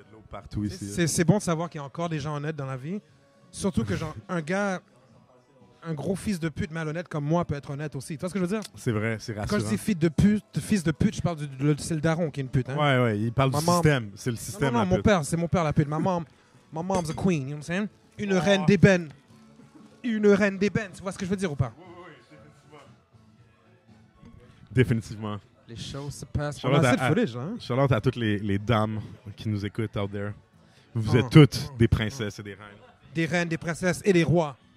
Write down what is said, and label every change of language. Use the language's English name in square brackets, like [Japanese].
[French] Partout ici. C'est bon de savoir qu'il y a encore des gens honnêtes dans la vie. Surtout que, genre, un gars, un gros fils de pute malhonnête comme moi peut être honnête aussi. Tu vois ce que je veux dire? C'est vrai, c'est rassurant. Quand je dis fils de pute, je parle du. C'est le daron qui est une pute. Hein? Ouais, il parle maman, du système. C'est le système. Non, la mon pute. Père, c'est mon père la pute. [English] My mom's a queen, you know what I'm saying? [French] Une reine d'ébène. Une reine d'ébène, tu vois ce que je veux dire ou pas? Oui, définitivement. Les choses se passent. On a assez de footage, hein? Charlotte, à toutes les dames qui nous écoutent [English] out there. [French] Vous êtes toutes des princesses et des reines. Des reines, des princesses et des rois.